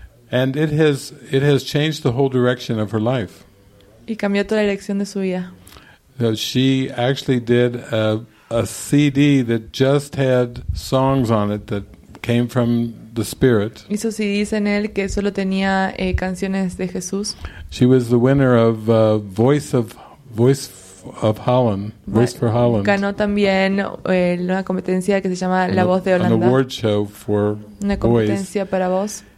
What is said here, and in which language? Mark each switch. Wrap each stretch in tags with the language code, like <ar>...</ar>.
<en>And it has changed the whole direction of her life.</en> <es>Y cambió toda la dirección de su vida.</es> <en>So she actually did a CD that just had songs on it that came from the Spirit.</en> <es>Hizo CDs en él que solo tenía canciones de Jesús.</es> <en>She was the winner of Voice of Holland, Voice for Holland.</en> <es>Ganó también una competencia que se llama La Voz de Holanda.</es> <en>An award show for</en> <es>una competencia</es> <en>voice.</en> <es>Para voz.</es>